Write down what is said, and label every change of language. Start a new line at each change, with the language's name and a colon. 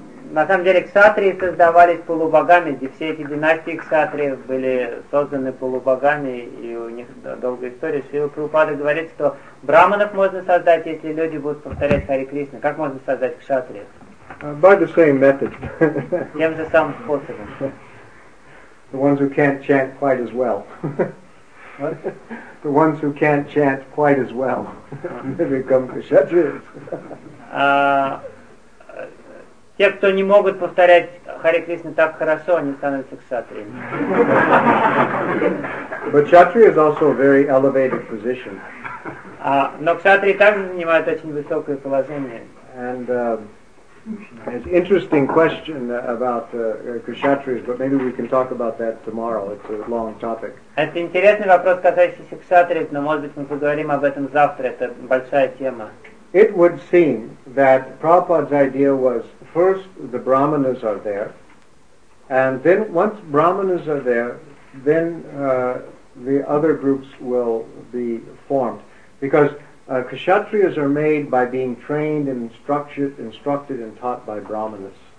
Russian: На самом деле, кшатрии создавались полубогами. И все эти династии кшатриев были созданы полубогами, и у них долгая история. Шрила Прабхупада говорит, что брахманов можно создать, если люди будут повторять Харе Кришна. Как можно создать кшатриев?
English: By the same method.
Russian: Тем же самым способом.
English: The ones who can't chant quite as well. What? The ones who can't chant quite as well. Maybe come to kshatriyas.
Russian: Те, кто не могут повторять Харе Кришна так хорошо, они становятся кшатриями.
English: But kshatriya is also a very elevated position.
Russian: Но кшатрии также занимают очень высокое положение.
English: And it's an interesting question about kshatriyas, but maybe we can talk about that tomorrow. It's a long topic.
Russian: Это интересный вопрос, касающийся кшатриев, но может быть мы поговорим об этом завтра. Это большая тема.
English: It would seem that Prabhupada's idea was first the brahmanas are there, and then once brahmanas are there, then the other groups will be formed. Because kshatriyas are made by being trained and instructed and taught by brahmanas.